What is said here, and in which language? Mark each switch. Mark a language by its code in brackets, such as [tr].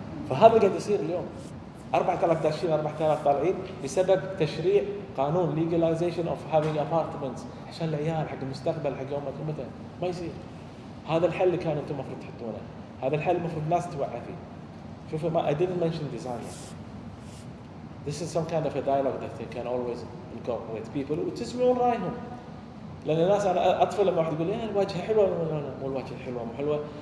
[ar] فهذا قاعد يصير اليوم. 4000 داشين 4000 طالعين بسبب تشريع قانون [en] legalization of having apartments [ar] عشان العيال حق المستقبل حق يوم ما ما يصير. هذا الحل اللي كانوا أنتم مفروض تحطونه. هذا الحل المفروض ناس توعى فيه. شوفوا ما [en] I didn't mention design. This is some kind of a dialogue that they can always incorporate people. [ar] وتسمعون رأيهم. لأن الناس أنا أطفل لما واحد يقول الواجهة حلوة مو الواجهة حلوة مو حلوة.